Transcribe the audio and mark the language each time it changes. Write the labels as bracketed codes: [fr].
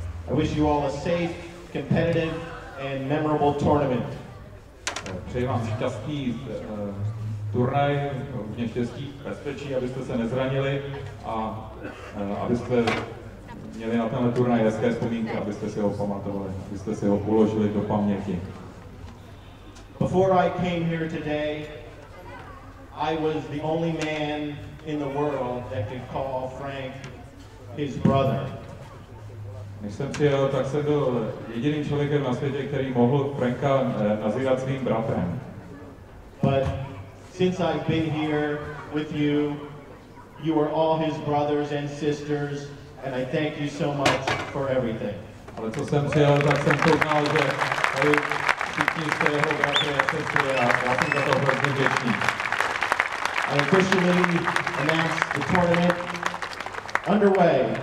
[en] I wish you all a safe, competitive and memorable tournament. [cs] Přeji vám šťastný turnaj, hodně štěstí, bezpečí, abyste se nezranili a abyste měli na tenhle turnaj hezké vzpomínky, abyste si ho pamatovali, abyste si ho uložili do paměti. [en] Before I came here today, I was the only man in the world that could call Frank his brother. [cs] Než jsem přijel, tak jsem byl jediným člověkem na světě, který mohl Franka nazývat svým bratrem. [en] But since I've been here with you, you are all his brothers and sisters, and I thank you so much for everything. [cs] Ale co jsem přijel, tak jsem poznal, že tady všichni jste jeho bratři a sestry, a já jsem za to hrozně vděčný. [en] I officially announce the tournament underway.